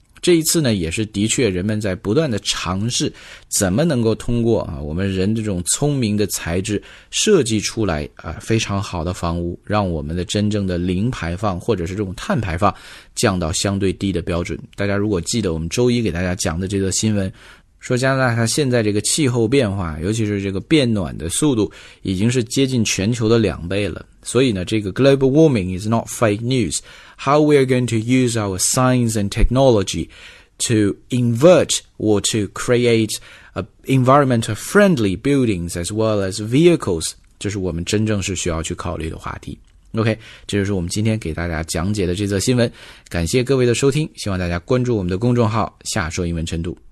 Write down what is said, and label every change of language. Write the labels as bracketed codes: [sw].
[zh] 这一次呢也是的确人们在不断的尝试怎么能够通过啊我们人这种聪明的材质设计出来啊非常好的房屋，让我们的真正的零排放或者是这种碳排放降到相对低的标准。大家如果记得我们周一给大家讲的这个新闻，说加拿大它现在这个气候变化，尤其是这个变暖的速度已经是接近全球的两倍了。所以呢这个 [en] global warming is not fake news。 How we are going to use our science and technology to invert or to create a environmental friendly buildings as well as vehicles， [zh] 这是我们真正是需要去考虑的话题。 OK， 这就是我们今天给大家讲解的这则新闻。感谢各位的收听，希望大家关注我们的公众号下说英文晨读。